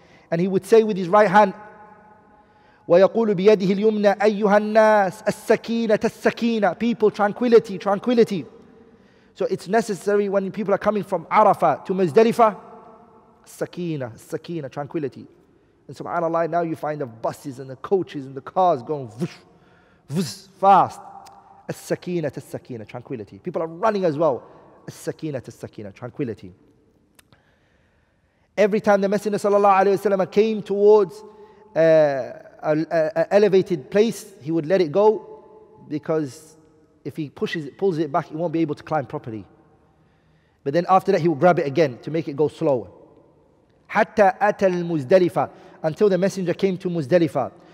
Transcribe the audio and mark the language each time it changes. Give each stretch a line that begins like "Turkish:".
English: And he would say with his right hand,
Arabic: وَيَقُولُ بِيَدِهِ الْيُمْنَى أَيُّهَا النَّاسَ السَّكِينَةَ السَّكِينَةَ.
English: People, tranquility, tranquility. So it's necessary when people are coming from Arafah to Muzdalifah,
Arabic: السَّكِينَةَ السَّكِينَةَ,
English: tranquility. And subhanAllah, now you find the buses and the coaches and the cars going vush, vush, fast.
Arabic: السَّكِينَةَ السَّكِينَةَ,
English: tranquility. People are running as well.
Arabic: السَّكِينَةَ السَّكِينَةَ,
English: tranquility. Every time the Messenger sallallahu alayhi wa sallam came towards an elevated place, he would let it go, because if he pulls it back, he won't be able to climb properly. But then after that, he would grab it again to make it go slower.
Arabic: حَتَّى أَتَى الْمُزْدَلِفَةَ,
English: until the Messenger came to Muzdalifah.